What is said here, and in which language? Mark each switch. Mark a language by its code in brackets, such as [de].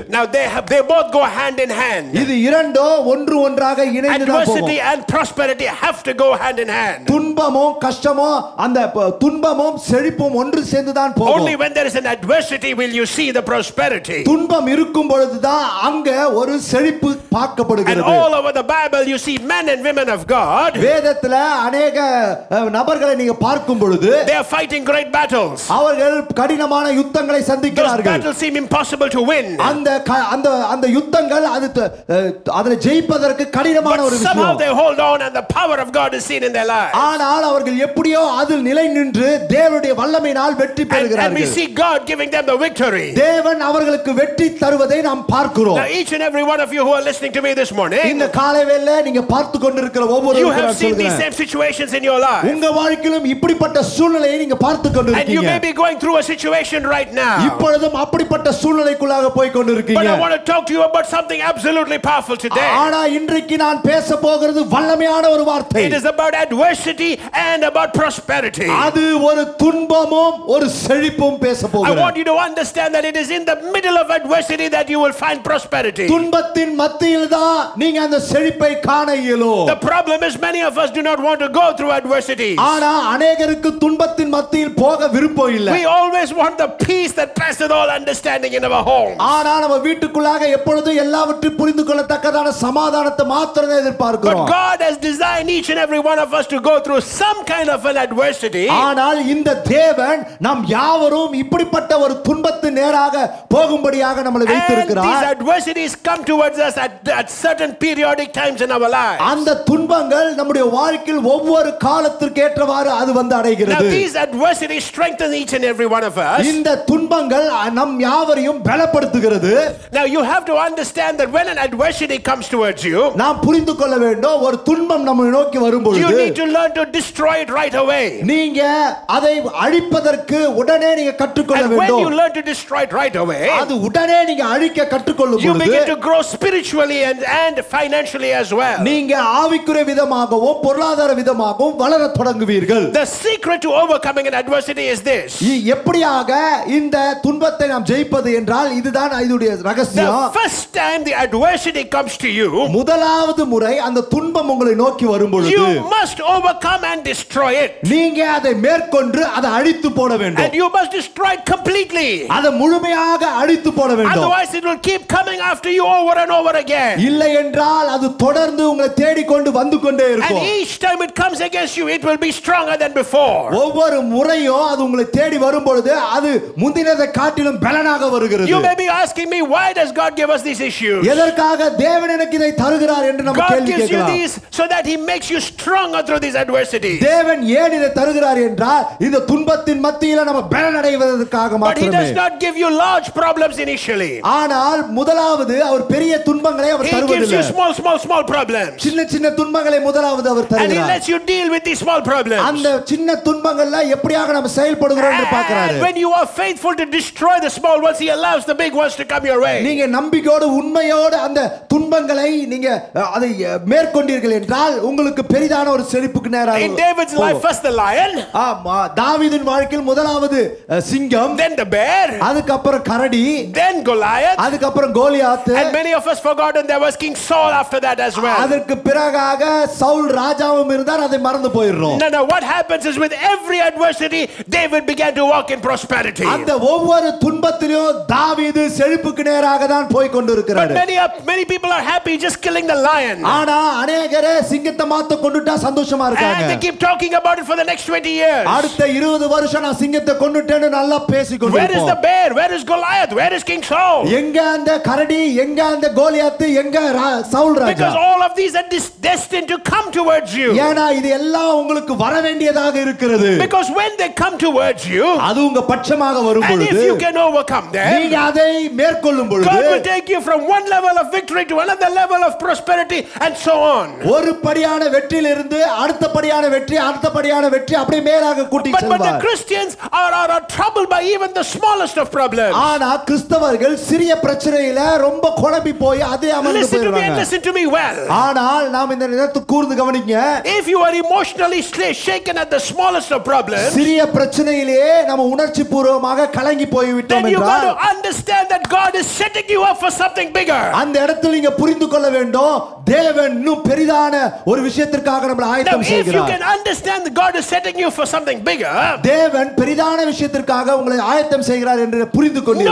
[en] Now they both go hand in hand. [ta] இது இரண்டும் ஒன்று ஒன்றாக இணைந்து தான் போகும். [en] Adversity and prosperity have to go hand in hand. [ta] துன்பமும் கஷ்டமும் அந்த துன்பமும் செழிப்பும் ஒன்று சேர்ந்து தான் போகும். [en] Only when there is an adversity will you see the prosperity. [ta] துன்பம் இருக்கும் பொழுது தான் அங்க ஒரு செழிப்பு பார்க்கப்படுகிறது. [en] And all over the Bible you see men and women of God. [ta] வேதத்துல अनेक நபர்களை நீங்க பார்க்கும் பொழுது [en] fighting great battles. [ta] அவர்கள் கடினமான யுத்தங்களை சந்திக்கிறார்கள். [en] Those battles seem impossible to win. [ta] அந்த யுத்தங்கள் அதை ஜெயிப்பதற்கு கடினமான ஒரு விஷயம். [en] But somehow they hold on and the power of God is seen in their lives. [ta] ஆனால் அவர்கள் எப்படியோ அதில் நிலை நின்று தேவனுடைய வல்லமையினால் வெற்றி பெறுகிறார்கள். [en] And we see God giving them the victory. [ta] தேவன் அவர்களுக்கு வெற்றி தருவதை நாம் பார்க்கிறோம். [en] Now each and every one of you who are listening to me this morning. [ta] இந்த காலையில நீங்க பார்த்து கொண்டிருக்கிற ஒவ்வொருவரும் [en] you have seen these same situations in your life. [ta] உங்க வாழ்க்கையிலும் இப்படிப்பட்ட சூழ்நிலை நீங்க பார்த்து கொண்டிருக்கீங்க. [en] And you may be going through a situation right now. [ta] இப்பொழுதும் அப்படிப்பட்ட சூழ்நிலைக்குள்ளாக போய் கொண்டிருக்கீங்க. [en] But I want to talk to you about something absolutely powerful today. [ta] ஆனா இன்றைக்கு நான் பேச போகிறது வல்லமையான ஒரு வார்த்தை. [en] It is about adversity and about prosperity. [ta] அது ஒரு துன்பமும் ஒரு செழிப்பும் பேச போகிறது. [en] I want you to understand that it is in the middle of adversity that you will find prosperity. [ta] துன்பத்தின் மத்தியில தான் நீங்க அந்த செழிப்பை காண இயலும். [en] The problem is many of us do not want to go through adversity. [ta] ஆனா अनेகருக்கு துன்பத்தின் சத்தியில் போக விருப்பம் இல்ல. [en] We always want the peace that passes all understanding in our homes. [ta] ஆனா நம்ம வீட்டுக்குள்ளாக எப்பொழுதும் எல்லாவற்றையும் புரிந்துகொள்ளத்தக்கதான சமாதானத்தை மட்டுமே எதிர்பார்க்கிறோம். [en] But God has designed each and every one of us to go through some kind of an adversity. [ta] ஆனால் இந்த தேவன் நம் யாவரும் இப்படிப்பட்ட ஒரு துன்பத்து நேராக போகும்படியாக நம்மளை வைத்திருக்கிறார். [en] And these adversities come towards us at certain periodic times in our lives. [ta] அந்த துன்பங்கள் நம்முடைய வாழ்க்கையில் ஒவ்வொரு காலத்துக்கு ஏற்றவாறு அது வந்து அடைகிறது. [en] Now these adversities strengthen each and every one of us. [ta] இந்த துன்பங்கள் நம் யாவரையும் பலப்படுத்துகிறது. [en] Now you have to understand that when an adversity comes towards you, [ta] நாம் புரிந்துகொள்ள வேண்டும், ஒரு துன்பம் நம்மை நோக்கி வரும்பொழுது, [en] you need to learn to destroy it right away. [ta] நீங்க அதை அழிப்பதற்கு உடனே நீங்க கற்றுக்கொள்ள வேண்டும். [en] And when you learn to destroy it right away, [ta] அது உடனே நீங்க அழிக்க கற்றுக்கொள்ளும் பொழுது, [en] you begin to grow spiritually and financially as well. [ta] நீங்க ஆவிக்குரிய விதமாகவும் பொருளாதார விதமாகவும் வளர தொடங்குவீர்கள். [en] The secret to overcoming an adversity is this. [ta] எப்படியாக இந்த துன்பத்தை நாம் ஜெயிப்பது என்றால் இதுதான் இதுடைய ரகசியம். [en] The first time the adversity comes to you, [ta] முதலாவது முறை அந்த துன்பம் உங்களை நோக்கி வரும் பொழுது, [en] you must overcome and destroy it. [ta] நீங்க அதை மேற்கொண்டு அதை அழித்து போட வேண்டும். [en] And you must destroy it completely. [ta] அதை முழுமையாக அழித்து போட வேண்டும். [en] Otherwise it will keep coming after you over and over again. [ta] இல்லை என்றால் அது தொடர்ந்து உங்களை தேடிக்கொண்டு வந்து கொண்டே இருக்கும். [en] And each time it comes against you, it will be stronger than before. [ta] ஒவ்வொரு முறையும் அது உங்களை தேடி வரும் பொழுது அது முந்தினதை காட்டிலும் பலனாக வருகிறது. [en] You may be asking me, why does God give us these issues? [ta] எதற்காக தேவன் எனக்கு இதை தருகிறார் என்று நாம் கேள்வி கேட்கலாம். [en] God gives you these so that he makes you stronger through these adversities. [ta] தேவன் ஏன் இதை தருகிறார் என்றால் இந்த துன்பத்தின் மத்தியில நாம் பலனடைவதற்காக மட்டுமே. [en] But he does not give you large problems initially. [ta] ஆனால் முதலாவது அவர் பெரிய துன்பங்களை அவர் தருவதில்லை. [en] He gives you small small small problems. [ta] சின்ன சின்ன துன்பங்களை முதலாவது அவர் தருகிறார். [en] And he lets you deal with these small problems. [ta] அந்த சின்ன துன்பங்கள்ல எப்படியாக நாம் செயல்படுகிறோம் என்று பார்க்கிறார். [en] When you are faithful to destroy the small ones, he allows the big ones to come your way. [ta] நீங்க நம்பிக்கையோடு உண்மையோடு அந்த துன்பங்களை நீங்க அதை மேற்கொண்டீர்கள் என்றால் உங்களுக்கு பெரிதான ஒரு செழிப்புக்கு நேராகும். [en] In David's life, first the lion. [ta] ஆமா, தாவீதின் வாழ்க்கையில் முதலாவது சிங்கம், [en] then the bear, [ta] அதுக்கு அப்புறம் கரடி, [en] then Goliath, [ta] அதுக்கு அப்புறம் Goliath. [en] And many of us forgotten there was King Saul after that as well. [ta] அதற்கு பிறகாக சவுல் ராஜாவும் இருந்தார், அதை மறந்து போயிரோம். [en] No, what happens is with every adversity, David began to walk in prosperity. [ta] அந்த ஒவ்வொரு துன்பத்திலும் தாவீது செழிப்புக்கு நேராக தான் போய் கொண்டிருக்கிறார். [en] But many people are happy just killing the lion. [ta] ஆனா அநேகரே சிங்கத்தை மாத்த கொண்டுட்டா சந்தோஷமா இருக்காங்க. [en] And they keep talking about it for the next 20 years. [ta] அடுத்த 20 வருஷம் நான் சிங்கத்தை கொண்டுட்டேன்னு நல்லா பேசிக்கொண்டிருப்போம். [en] Where is the bear? Where is Goliath? Where is King Saul? [ta] எங்க அந்த கரடி? எங்க அந்த கோலியாத்? எங்க சவுல் ராஜா? [en] Because all of these are destined to come towards you. [ta] ஏனா இது எல்லாம் உங்களுக்கு வர வேண்டியதாக இருக்கிறது. [en] Because when they come towards you, [ta] அது உங்க பட்சமாக வரும் பொழுது, [en] and if you can overcome them, [ta] நீங்க அதை மேற்கொள்ளும் பொழுது, [en] God will take you from one level of victory to another level of prosperity and so on. [ta] ஒரு படியான வெற்றியிலிருந்து அடுத்த படியான வெற்றி, அடுத்த படியான வெற்றி அப்படியே மேலாக கூட்டி செல்வார். [en] But the Christians are troubled by even the smallest of problems. [ta] ஆனா கிறிஸ்தவர்கள் சிறிய பிரச்சனையில ரொம்ப குழம்பி போய் அதே அமர்ந்து போயிடுறாங்க. [en] Listen to me well. [ta] ஆனால் நாம் இந்த நேரத்து கூர்ந்து கவனிங்க. [en] If you are emotionally shaken at the smallest of problems, [ta] சிறிய பிரச்சனையிலே நாம் உணர்ச்சிபூர்வமாக கலங்கி போய் விட்டோம் என்றால், [en] then you got to understand that God is setting you up for something bigger. [ta] அந்த இடத்துல நீங்க புரிந்துகொள்ள வேண்டும், தேவன் இன்னும் பெரிதான ஒரு விஷயத்திற்காக நம்மளை ஆயத்தம் செய்கிறார். [en] If you can understand that God is setting you for something bigger, [ta] தேவன் பெரிதான விஷயத்திற்காக உங்களை ஆயத்தம் செய்கிறார் என்று புரிந்துகொண்டீர்கள்